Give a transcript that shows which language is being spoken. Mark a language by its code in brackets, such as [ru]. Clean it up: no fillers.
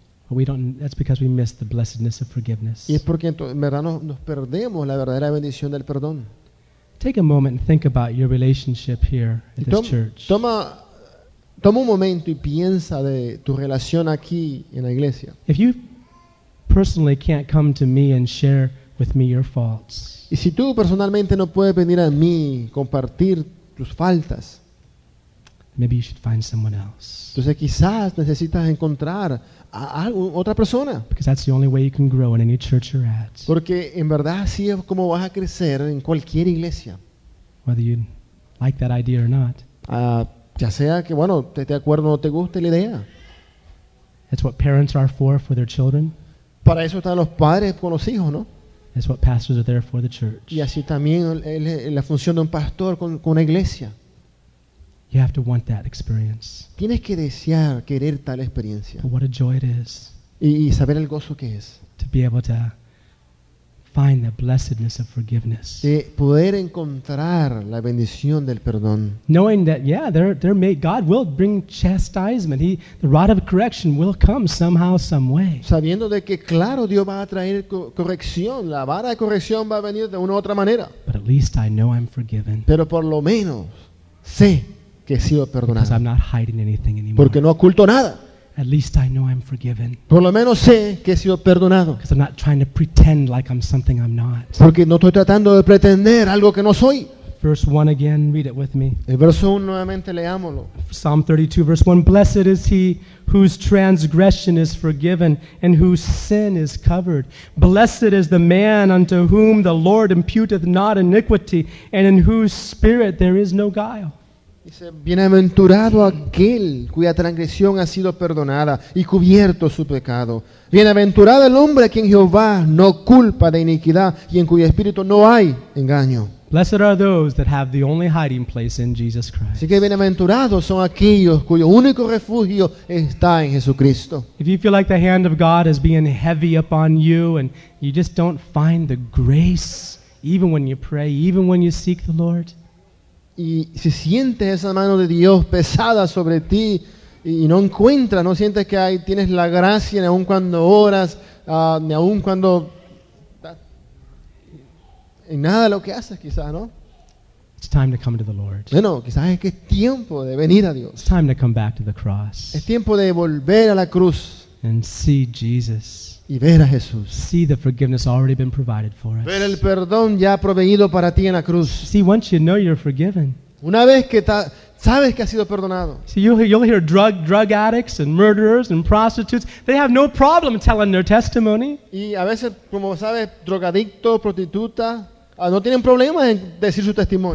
[en] But that's because we miss the blessedness of forgiveness. [es] Y es porque en verdad nos perdemos la verdadera bendición del perdón. [en] Take a moment and think about your relationship here at this church. [es] Toma un momento y piensa de tu relación aquí en la iglesia. [en] If you personally can't come to me and share with me your faults. [es] Y si tú personalmente no puedes venir a mí compartir tus faltas. [en] Maybe you should find someone else. [es] Entonces quizás necesitas encontrar a otra persona. [en] Because that's the only way you can grow in any church you're at. [es] Porque en verdad así es como vas a crecer en cualquier iglesia. [en] Whether you like that idea or not. [es] Ya sea que bueno, te acuerdo o te guste la idea. [en] That's what parents are for their children. [es] Para eso están los padres con los hijos, ¿no? [en] That's what pastors are there for the church. [es] Y así también la función de un pastor con una iglesia. [en] You have to want that experience. [es] Tienes que desear querer tal experiencia. [en] But what a joy it is. [es] Y saber el gozo que es. [en] To be able to find the blessedness of forgiveness. [es] De poder encontrar la bendición del perdón. [en] Knowing that, yeah, there may God will bring chastisement. The rod of correction will come somehow, some way. [es] Sabiendo de que claro Dios va a traer corrección, la vara de corrección va a venir de una u otra manera. [en] But at least I know I'm forgiven. [es] Pero por lo menos sé que he sido perdonado. [en] Because I'm not hiding anything anymore. [es] Porque no oculto nada. [en] At least I know I'm forgiven. [es] Por lo menos sé que he sido perdonado. [en] Because I'm not trying to pretend like I'm something I'm not. [es] Porque no estoy tratando de pretender algo que no soy. [en] Verse 1 again, read it with me. [es] El verso 1 nuevamente leámoslo. [en] Psalm 32 verse 1. Blessed is he whose transgression is forgiven and whose sin is covered. Blessed is the man unto whom the Lord imputeth not iniquity and in whose spirit there is no guile. [es] Dice, bienaventurado aquel cuya transgresión ha sido perdonada y cubierto su pecado. Bienaventurado el hombre a quien Jehová no culpa de iniquidad y en cuyo espíritu no hay engaño. [en] Blessed are those that have the only hiding place in Jesus Christ. [es] Así que bienaventurados son aquellos cuyo único refugio está en Jesucristo. [en] If you feel like the hand of God is being heavy upon you and you just don't find the grace, even when you pray, even when you seek the Lord. [es] Y si sientes esa mano de Dios pesada sobre ti y no encuentras, no sientes que ahí tienes la gracia ni aun cuando oras, ni aun cuando en nada lo que haces quizás, ¿no? [en] It's time to come to the Lord. [es] Bueno, quizás es que es tiempo de venir a Dios. [en] It's time to come back to the cross. [es] Es tiempo de volver a la cruz. [en] And see Jesus. [es] Y ver a Jesús. [en] See the forgiveness already been provided for us. [es] Ver el perdón ya proveído para ti en la cruz. [en] See, once you know you're forgiven. [es] Una vez que sabes que has sido perdonado. [en] See, you'll hear drug addicts and murderers and prostitutes. They have no problem telling their testimony. [es] Y a veces, como sabes, drogadicto, prostituta, no tienen problema en decir su testimonio.